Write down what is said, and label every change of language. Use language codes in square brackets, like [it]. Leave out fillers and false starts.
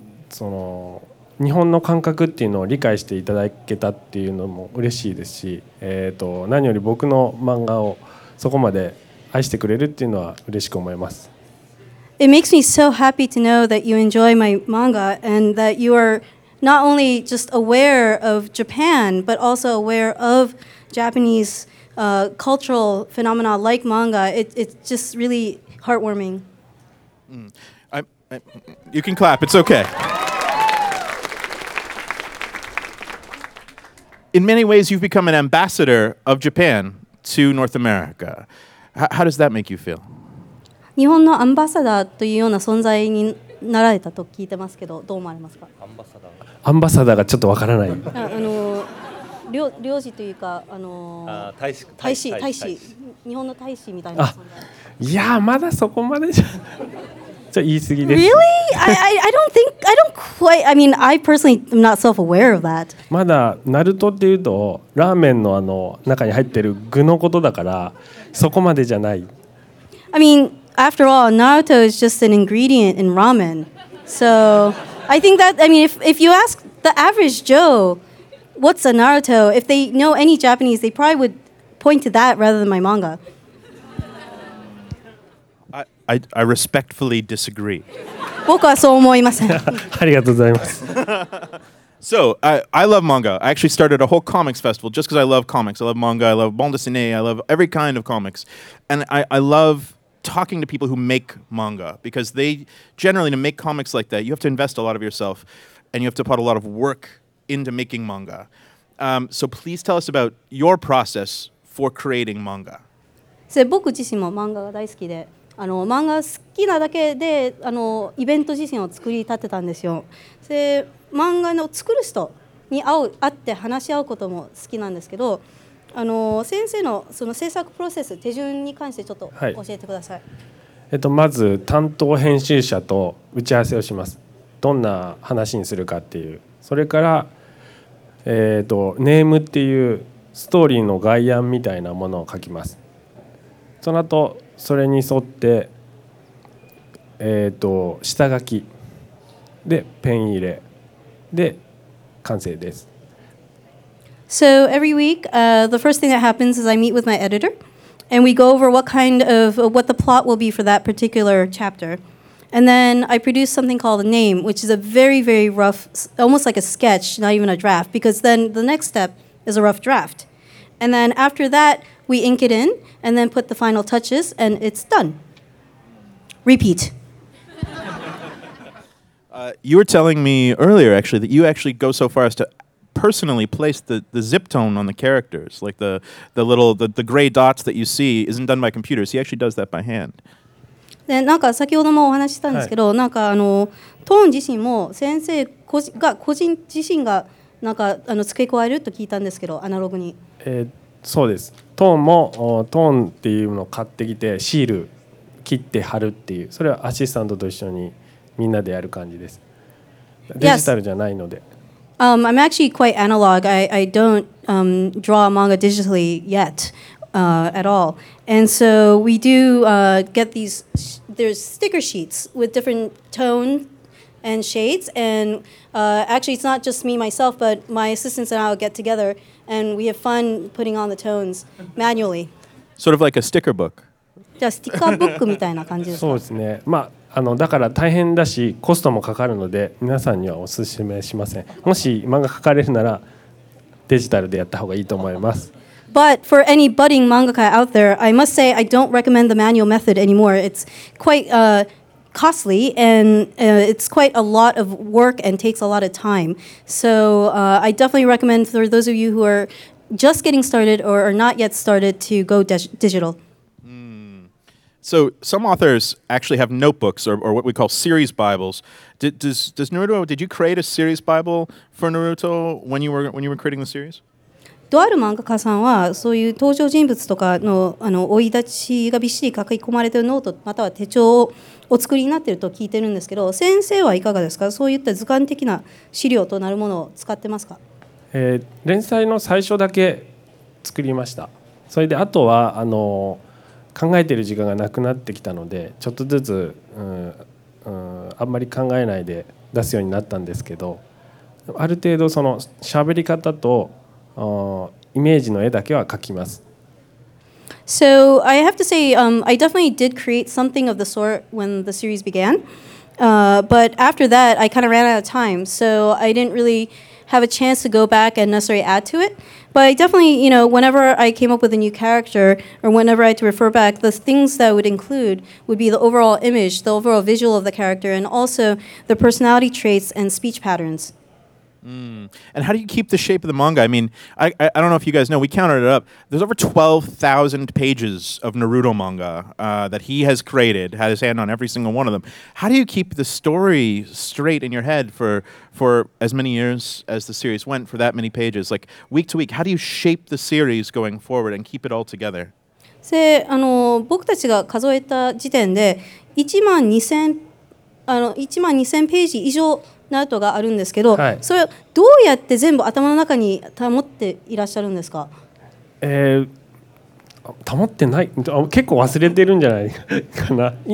[ja] その、日本の感覚っていうのを理解していただけたっていうのも嬉しいですし、何より僕の漫画をそこまで愛してくれるっていうのは嬉しく思います。 [en] It makes me so happy to know that you enjoy my manga and that you are not only just aware of Japan but also aware of Japanese cultural phenomena like manga. It's just really heartwarming. You can clap, it's okay. In many ways, you've become an ambassador of Japan to North America. How does that make you feel? [ja] 日本のアンバサダーというような存在になられたと聞いてますけど、どう思われますか？アンバサダーがちょっとわからない。領事というか、大使、日本の大使みたいな存在。いやー、まだそこまでじゃ。 [en] Really? I don't think, I don't quite, I mean, I personally am not self-aware of that. [ja] まだナルトっていうとラーメンのあの中に入ってる具のことだからそこまでじゃない。 [en] I mean, after all, Naruto is just an ingredient in ramen. So, I think that, I mean, if you ask the average Joe, what's a Naruto, if they know any Japanese, they probably would point to that rather than my manga. I respectfully disagree. [ja] 僕はそう思いません。ありがとうございます。 [en] So, I love manga. I actually started a whole comics festival just because I love comics. I love manga, I love bande dessinée, I love every kind of comics. And I love talking to people who make manga, because they generally, to make comics like that, you have to invest a lot of yourself and you have to put a lot of work into making manga. So please tell us about your process for creating manga. [ja] So, 僕自身も漫画が大好きで、あの漫画好きなだけで、あのイベント自身を作り立てたんですよ。で、漫画の作る人に会って話し合うことも好きなんですけど、あの先生のその制作プロセス手順に関してちょっと教えてください。はい、まず担当編集者と打ち合わせをします。どんな話にするかっていう。それから、ネームっていうストーリーの概要みたいなものを書きます。その後それに沿って、下書きでペン入れで完成です。 [en] So every week, the first thing that happens is I meet with my editor, and we go over what the plot will be for that particular chapter. And then I produce something called a name, which is a very, very rough, almost like a sketch, not even a draft, because then the next step is a rough draft. And then after that, we ink it in, and then put the final touches, and it's done. Repeat. You were telling me earlier, actually, that you actually go so far as to personally place the zip tone on the characters, like the little gray dots that you see isn't done by computers. He actually does that by hand. [ja] でなんか先ほどもお話したんですけど、はい、なんかあのトーン自身も先生が個人自身がなんかあの付け加えると聞いたんですけど、アナログに。そうです。トーンもトーンっていうのを買ってきてシール切って貼るっていう、それはアシスタントと一緒にみんなでやる感じです。デジタルじゃないので。 [en] Yes. I'm actually quite analog. I don't draw manga digitally yet. At all. And so we do get these, there's sticker sheets with different tone and shades. And actually, it's not just me, myself, but my assistants and I will get together and we have fun putting on the tones manually. Sort of like a sticker book. Yeah, sticker book [ja] みたいな感じですか。そうですね。まあ、あの、だから大変だし、コストもかかるので、皆さんにはお勧めしません。もし漫画描かれるなら、デジタルでやった方がいいと思います。 [en] But for any budding mangaka out there, I must say I don't recommend the manual method anymore. It's quite costly and it's quite a lot of work and takes a lot of time. So I definitely recommend for those of you who are just getting started or are not yet started to go digital. Mm. So some authors actually have notebooks or what we call series Bibles. Does Naruto, did you create a series Bible for Naruto when you were creating the series? [ja] とある漫画家さんはそういう登場人物とかの生い立ちがびっしり書き込まれているノートまたは手帳をお作りになっていると聞いてるんですけど、先生はいかがですか？そういった図鑑的な資料となるものを使ってますか？連載の最初だけ作りました。それであとは考えている時間がなくなってきたので、ちょっとずつ、あんまり考えないで出すようになったんですけど、ある程度その喋り方とイメージの絵だけは描きます。 [en] So I have to say I definitely did create something of the sort when the series began, but after that I kind of ran out of time, so I didn't really have a chance to go back and necessarily add to it. But I definitely, you know, whenever I came up with a new character or whenever I had to refer back, the things that I would include would be the overall image, the overall visual of the character, and also the personality traits and speech patterns. Mm. And how do you keep the shape of the manga? I mean, I don't know if you guys know, we counted it up. There's over 12,000 pages of Naruto manga that he has created, had his hand on every single one of them. How do you keep the story straight in your head for as many years as the series went, for that many pages? Like, week to week, how do you shape the series going forward and keep it all together? [ja] So, 僕たちが数えた時点で12,000ページ以上ナルトがあるんですけど、はい、それをどうやって全部頭の中に保っていらっしゃるんですか？保ってない、結構忘れてるんじゃないかな。